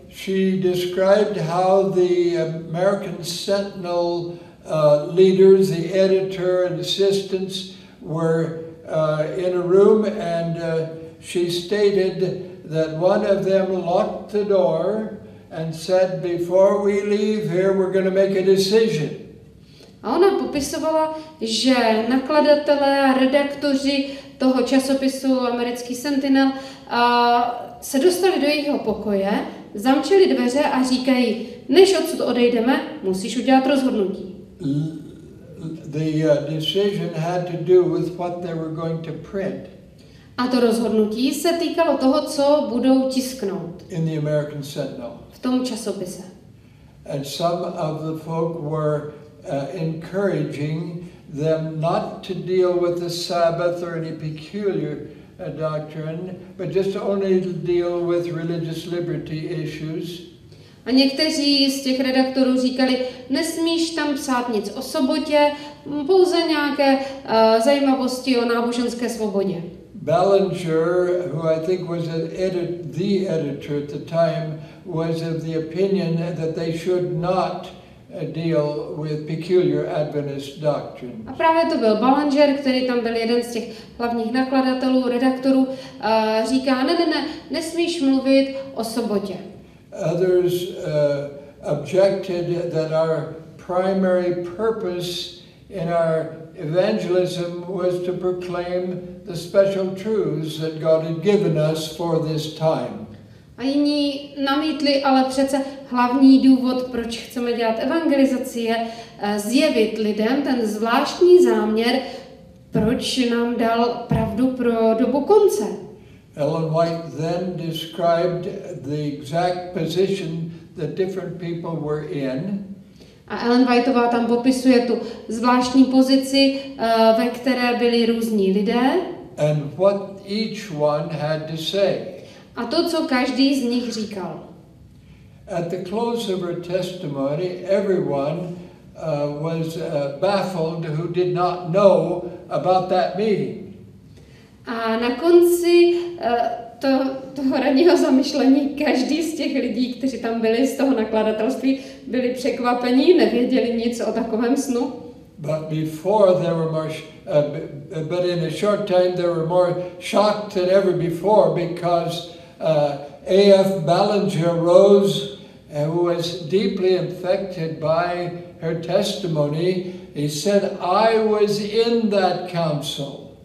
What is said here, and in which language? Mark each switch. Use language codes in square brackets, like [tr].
[en] She described how the American Sentinel leaders, the editor and assistants were in a room and she stated that one of them locked the door and said, before we leave here, we're going to make a decision. [cs] A ona popisovala, že nakladatelé a redaktoři toho časopisu Americký Sentinel se dostali do jejího pokoje, zamčeli dveře a říkají, než odsud odejdeme, musíš udělat rozhodnutí. [en] The decision had to do with what they were going to print. [cs] A to rozhodnutí se týkalo toho, co budou tisknout. [en] In the American Sentinel. [cs] V tom časopise. [en] And some of the folk were encouraging them not to deal with the Sabbath or any peculiar doctrine, but just only to deal with religious liberty issues. [cs] A někteří z těch redaktorů říkali, nesmíš tam psát nic o sobotě, pouze nějaké zajímavosti o náboženské svobodě. [en] Ballinger, who I think was the editor at the time, was of the opinion that they should not deal with peculiar Adventist doctrine. [cs] A právě to byl Ballinger, který tam byl jeden z těch hlavních nakladatelů, redaktorů, říká, ne, nesmíš mluvit o sobotě. [en] Others objected that our primary purpose in our evangelism was to proclaim the special truths that God had given us for this time. [cs] A jiní namítli, ale přece hlavní důvod, proč chceme dělat evangelizaci, je zjevit lidem ten zvláštní záměr, proč nám dal pravdu pro dobu konce. [en] Ellen White then described the exact position that different people were in. [cs] A Ellen Whiteová tam popisuje tu zvláštní pozici, ve které byli různí lidé. [en] And what each one had to say. [cs] A to, co každý z nich říkal. [en] At the close of her testimony, everyone was baffled who did not know about that meeting. [cs] A na konci toho ranního zamyšlení každý z těch lidí, kteří tam byli z toho nakladatelství, byli překvapení, nevěděli nic o takovém snu. [en] But before there were more but in a short time they were more shocked than ever before because A.F. Ballinger rose, who was deeply affected by her testimony. He said, I was in that council.